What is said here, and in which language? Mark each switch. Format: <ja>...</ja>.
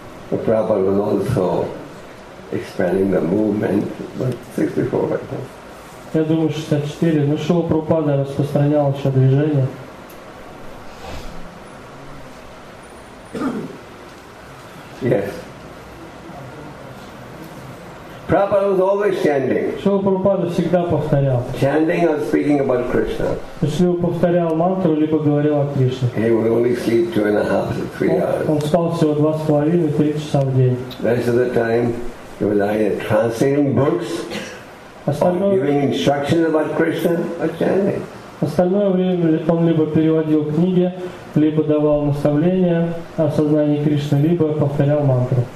<en>The Prabhupada was also expanding the movement, but 64 right now.</en> <ru>Я думаю, 64. Но Шрила Прабхупада распространял еще движение.</ru> <en>Yes. Prabhupada was always chanting.</en> <ru>Шрила Прабхупада всегда повторял.</ru> <en>Chanting or speaking about Krishna.</en> <ru>Если он повторял мантру, либо говорил о Кришне.</ru> <en>He would only sleep 2.5 to 3 hours.</en> <ru>Он спал всего 2.5-3 часа в день.</ru> <en>Rest of the time, he was either translating books, or giving instructions about Krishna, or chanting.</en> <ru>Остальное время он либо переводил книги, либо давал наставления о сознании Кришны, либо повторял мантру.</ru>